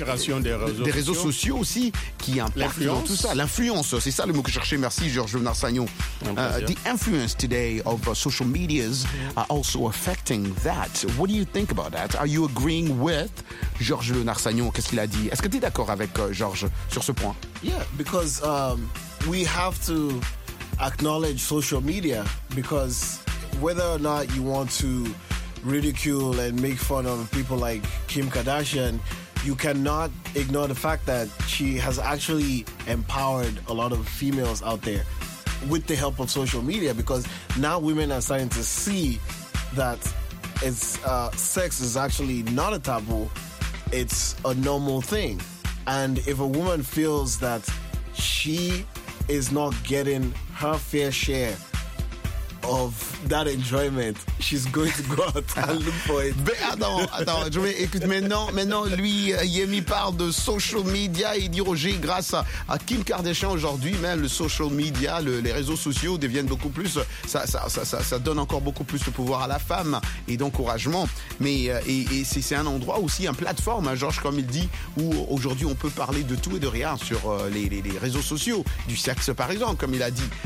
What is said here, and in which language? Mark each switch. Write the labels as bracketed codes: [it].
[fr] la prolifération des réseaux sociaux aussi qui impactent dans tout ça. L'influence, c'est ça le mot que je cherchais. Merci Georges Narsagnon. [en] The influence today of social medias are also affecting that. What do you think about that? Are you agreeing with Georges Narsagnon? [fr] Qu'est-ce qu'il a dit? Est-ce que tu es d'accord avec Georges sur ce point? [en] Yeah, because we have to acknowledge social media because whether or not you want to ridicule and make fun of people like Kim Kardashian, you cannot ignore the fact that she has actually empowered a lot of females out there with the help of social media, because now women are starting to see that it's sex is actually not a taboo, it's a normal thing. And if a woman feels that she is not getting her fair share of that enjoyment, she's going to go out and look for it. [fr] Mais attends, attends, je vais, écoute, maintenant, lui, Yemi parle de social media. Il dit, Roger, grâce à Kim Kardashian aujourd'hui, même le social media, les réseaux sociaux deviennent beaucoup plus. Ça donne encore beaucoup plus de pouvoir à la femme et d'encouragement. Mais et c'est un endroit aussi, une plateforme, hein, Georges, comme il dit, où aujourd'hui on peut parler de tout et de rien sur les réseaux sociaux, du sexe par exemple, comme il a dit.